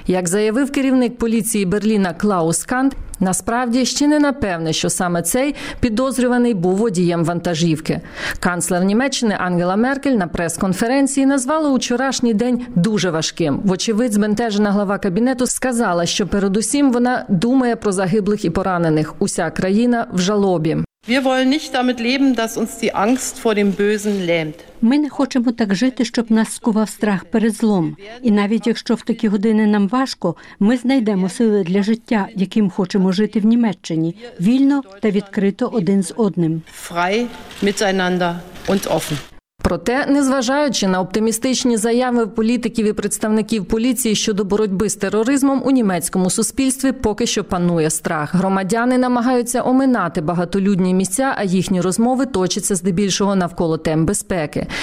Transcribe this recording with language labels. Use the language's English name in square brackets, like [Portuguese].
[Ukrainian] Як заявив керівник поліції Берліна Клаус Кант, насправді ще не напевне, що саме цей підозрюваний був водієм вантажівки. Канцлер Німеччини Ангела Меркель на прес-конференції назвала вчорашній день дуже важким. Вочевидь, збентежена глава кабінету сказала, що передусім вона думає про загиблих і поранених. Уся країна в жалобі. [German] Wir wollen nicht damit leben, dass uns die Angst vor dem Bösen lähmt. [Ukrainian] Ми не хочемо так жити, щоб нас скував страх перед злом. І навіть якщо в такі години нам важко, ми знайдемо сили для життя, яким хочемо жити в Німеччині, вільно та відкрито один з одним. [German] Frei miteinander und offen. [Ukrainian] Проте, незважаючи на оптимістичні заяви політиків і представників поліції щодо боротьби з тероризмом, у німецькому суспільстві поки що панує страх. Громадяни намагаються оминати багатолюдні місця, а їхні розмови точаться здебільшого навколо тем безпеки.